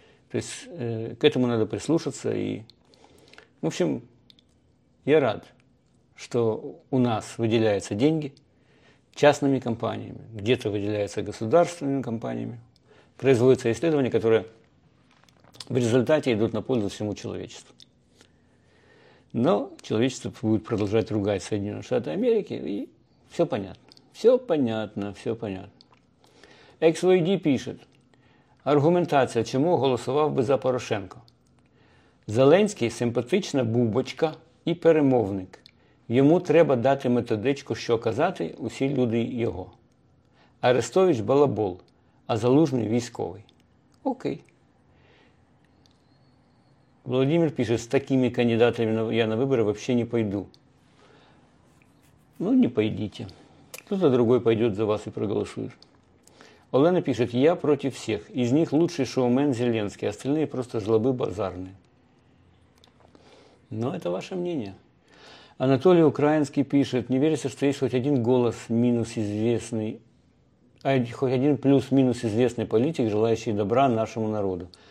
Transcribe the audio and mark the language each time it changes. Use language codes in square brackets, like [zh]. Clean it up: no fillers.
[ru] То есть к этому надо прислушаться. И, в общем, я рад, что у нас выделяются деньги частными компаниями, где-то выделяются государственными компаниями, производятся исследования, которые в результате идут на пользу всему человечеству. Но человечество будет продолжать ругать Соединенные Штаты Америки, и все понятно. Все понятно, все понятно. [uk] XYD пишет, аргументация, чому голосував би за Порошенко. Зеленський – симпатична бубочка і перемовник. Йому треба дати методичку, що казати, усі люди його. Арестович – балабол, а Залужний – військовий. Окей. Володимир пише, з такими кандидатами я на вибори взагалі не пойду. Ну, не пойдіть. [ru] Кто-то другой пойдет за вас и проголосует. Олена пишет, я против всех. Из них лучший шоумен Зеленский, остальные просто жлобы базарные. Но это ваше мнение. Анатолий Украинский пишет, не верится, что есть хоть один голос минус известный, хоть один плюс-минус известный политик, желающий добра нашему народу.